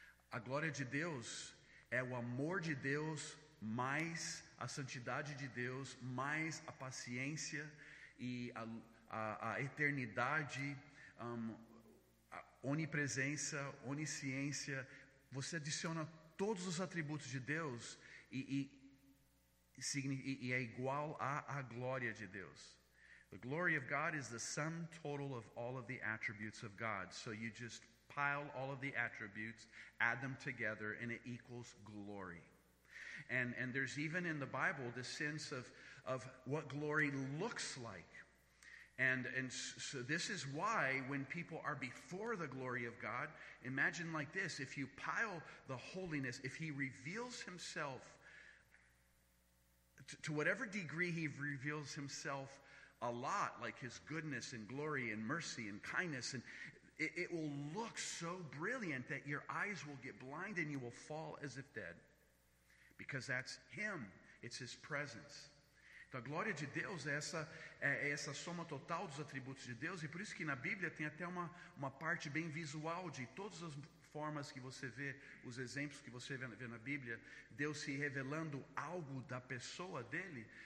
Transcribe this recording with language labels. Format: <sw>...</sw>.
<pt>A glória de Deus é o amor de Deus, mais a santidade de Deus, mais a paciência e a eternidade, a onipresença, onisciência. Você adiciona todos os atributos de Deus e é igual à glória de Deus.</pt> <en>The glory of God is the sum total of all of the attributes of God. So you just pile all of the attributes, add them together, and it equals glory. And there's even in the Bible this sense of what glory looks like. And so this is why when people are before the glory of God, imagine like this, if you pile the holiness, if he reveals himself, to whatever degree he reveals himself a lot, like his goodness and glory and mercy and kindness, and it will look so brilliant that your eyes will get blind and you will fall as if dead. Because that's him, it's his presence.</en> <pt>Então, a glória de Deus é essa soma total dos atributos de Deus, e por isso que na Bíblia tem até uma parte bem visual de todas as formas que você vê, os exemplos que você vê na Bíblia, Deus se revelando algo da pessoa dele.</pt>